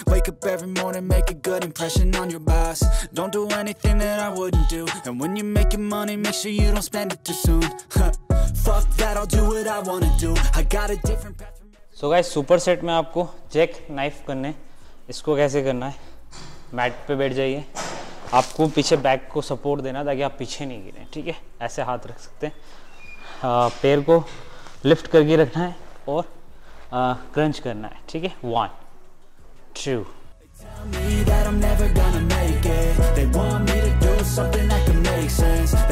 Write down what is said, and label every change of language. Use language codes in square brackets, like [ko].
[en] Wake up every morning, make a good impression on your boss. Don't do anything that I wouldn't do. And when you're making money, make sure you don't spend it too soon. Fuck that, I'll do what I wanna do. I got a different path. [hi] So guys, super set में आपको Jack knife करने, इसको कैसे करना है, mat पे बैठ जाइए, आपको पीछे बैक को सपोर्ट देना ताकि आप पीछे नहीं गिरें, ठीक है, ऐसे हाथ रख सकते हैं, पैर को लिफ्ट करके रखना है और क्रंच करना है, ठीक है। [en] 1 2 Tell me that I'm never gonna make it. They want me to do something that can make sense.